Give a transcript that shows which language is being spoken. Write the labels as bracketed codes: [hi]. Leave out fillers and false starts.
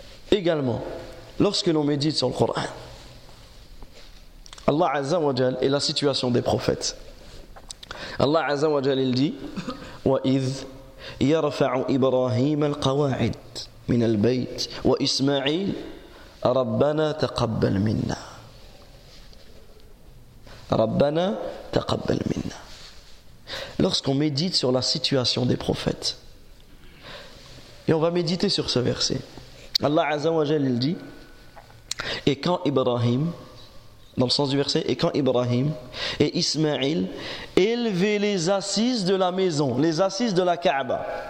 [fr] Également, lorsque l'on médite sur le Coran, Allah Azza wa Jal est la situation des prophètes. [ar] Allah Azza wa Jal, [fr] il dit: [ar] وَإِذْ يَرْفَعُ إِبْرَاهِيمَ الْقَوَاعِدِ مِنَ الْبَيْتِ وَإِسْمَعِيلَ رَبَّنَا تَقَبَّلْ مِنَّا رَبَّنَا تَقَبَّلْ مِنَّا. [fr] Lorsqu'on médite sur la situation des prophètes, et on va méditer sur ce verset, Allah Azza wa Jal, il dit: et quand Ibrahim, dans le sens du verset, et quand Ibrahim et Ismaïl élevaient les assises de la maison, les assises de la Kaaba.